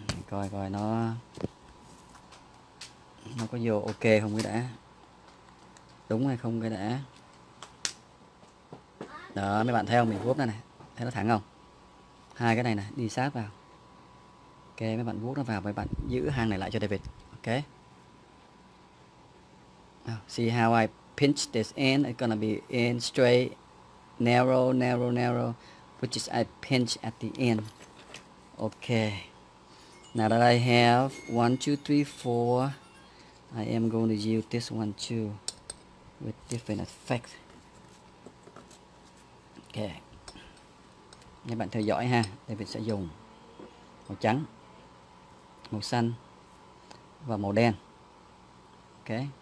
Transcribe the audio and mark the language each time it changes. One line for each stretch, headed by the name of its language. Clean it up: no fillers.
Vietnamese: Coi coi nó có vô ok không cái đã. Đúng hay không cái đã. Đó, mấy bạn thấy không? Mình vuốt nó này. Thấy nó thẳng không? Hai cái này nè, đi sát vào. Ok, mấy bạn vuốt nó vào, mấy bạn giữ hàng này lại cho David. Ok.
English: See how I pinch this in? It's gonna be in straight, narrow, which is I pinch at the end. Ok. Now that I have 1, 2, 3, 4, I am going to use this one too, with different effects. Ok.
Vietnamese: Các bạn theo dõi ha, David sẽ dùng màu trắng, màu xanh và màu đen. Ok.